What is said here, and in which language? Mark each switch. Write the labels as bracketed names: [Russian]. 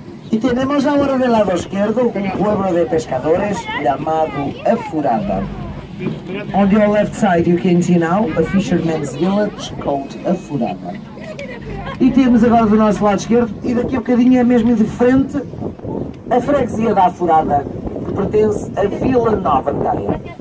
[Spanish] Y tenemos ahora del lado izquierdo un pueblo de pescadores llamado A Furada. [English] On your left side you can see now a fisherman's village called A Furada. [Portuguese] E temos agora do nosso lado esquerdo, e daqui a um bocadinho é mesmo de frente, a freguesia da Furada, que pertence à Vila Nova de Gaia.